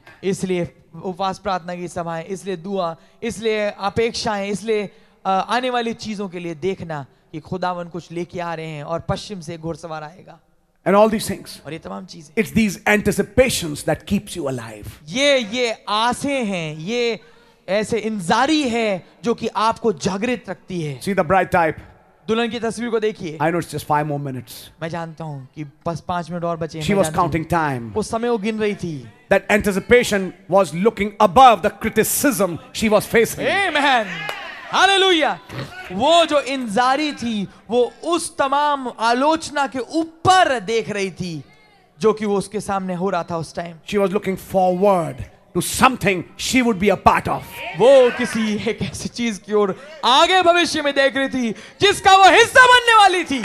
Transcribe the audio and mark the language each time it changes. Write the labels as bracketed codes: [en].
[hi] इसलिए उपवास प्रार्थना की सभाएं, इसलिए दुआ, इसलिए अपेक्षाएं, इसलिए आने वाली चीजों के लिए देखना कि खुदावन कुछ लेके आ रहे हैं और पश्चिम से घुड़सवार आएगा. [en] And all these things. [hi] और ये तमाम चीजें. [en] It's these anticipations that keeps you alive. [hi] ये आसें हैं, ये ऐसे इंतजारी है जो कि आपको जागृत रखती है. [en] See the bright type. [hi] दुल्हन की तस्वीर को देखिए. [en] I know it's just 5 more minutes. [hi] मैं जानता हूँ कि बस 5 मिनट और बचे. [en] She was counting time. [hi] उस समय वो गिन रही थी. [en] That anticipation was looking above the criticism she was facing. Amen. Hallelujah. [hi] वो जो इंतजारी थी, वो उस तमाम आलोचना के ऊपर देख रही थी, जो कि वो उसके सामने हो रहा था उस time. [en] She was looking forward to something she would be a part of. [hi] वो किसी एक ऐसी चीज की ओर आगे भविष्य में देख रही थी जिसका वो हिस्सा बनने वाली थी.